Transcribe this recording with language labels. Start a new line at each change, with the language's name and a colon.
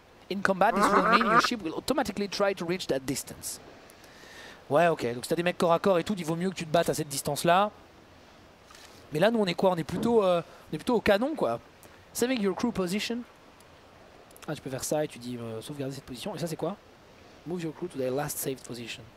English: In combat, this will mean your ship will automatically try to reach that distance.
French: Ouais, ok, donc si t'as des mecs corps à corps et tout, il vaut mieux que tu te battes à cette distance là. Mais là, nous, on est quoi? On est plutôt au canon, quoi.
English: Saving your crew position.
French: Ah, tu peux faire ça et tu dis sauvegarder cette position. Et ça, c'est quoi?
English: Move your crew to their last saved position.